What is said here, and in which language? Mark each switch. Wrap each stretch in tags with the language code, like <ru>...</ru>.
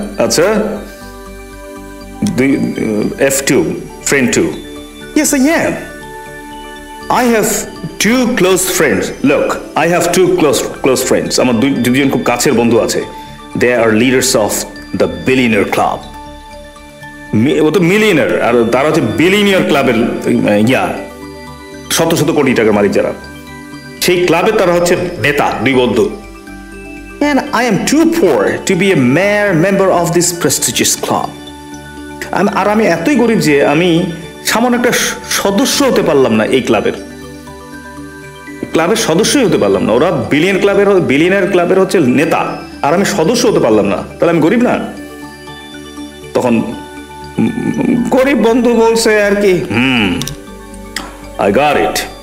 <bn>আচ্ছা দুই, F two, friend two,</bn> <en>yes I am, I have two close friends,</en> <bn>look I have to close friends, আমার দুজন খুব কাছের বন্ধু আছে,</bn> <en>they are leaders of the billionaire club,</en> <bn>ও তো মিলিয়নিয়ার, আর তারা হচ্ছে বিলিয়নিয়ার ক্লাবের ইয়া, শত শত কোটি টাকার মালিক যারা, সেই ক্লাবে তারা হচ্ছে নেতা, দুই বন্ধু।</bn> <en>And I am too poor to be a mere member of this prestigious club.</en> <bn>আর আমি এতই গরিব যে আমি সামান্য একটা সদস্য হতে পারলাম না এই ক্লাবের, ক্লাবের সদস্যই হতে পারলাম না, ওরা বিলিয়ন ক্লাবের, বিলিয়নার ক্লাবের হচ্ছে নেতা, আর আমি সদস্য হতে পারলাম না, তাহলে আমি গরিব না? তখন গরিব বন্ধু বলছে আর কি,</bn> <en>I got it.</en>